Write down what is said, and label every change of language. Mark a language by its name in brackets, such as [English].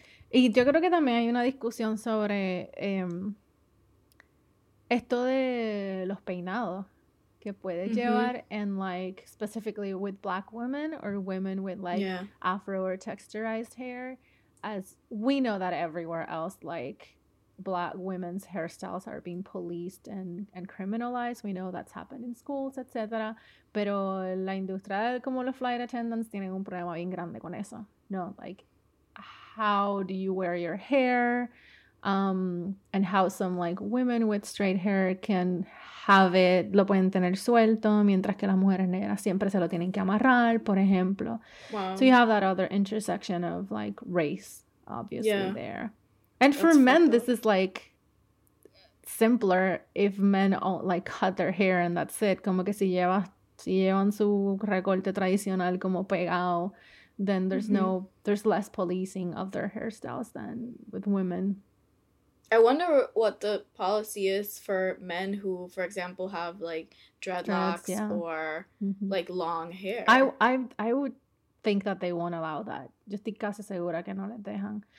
[Spanish] Y yo creo que también hay una discusión sobre esto de los peinados que puede llevar en, [English] like, specifically with black women or women with, like, afro or texturized hair. As we know that everywhere else, like, black women's hairstyles are being policed and criminalized. We know that's happened in schools, etc. [Spanish] Pero la industria, como los flight attendants, tienen un problema bien grande con eso. [English] No, like, how do you wear your hair? And how some, like, women with straight hair can have it, [Spanish] lo pueden tener suelto, mientras que las mujeres negras siempre se lo tienen que amarrar, por ejemplo. [English] So you have that other intersection of, like, race, obviously, there. And for That's men, fucked this up. is, like, simpler if men all, like, cut their hair and that's it. [Spanish] Como que si llevan su recorte tradicional como pegado, [English] then there's less policing of their hairstyles than with women. I wonder what the policy is for men who, for example, have like Dreads, dreadlocks yeah. or like long hair. I would think that they won't allow that. [Spanish] Yo estoy casi segura que no les dejan.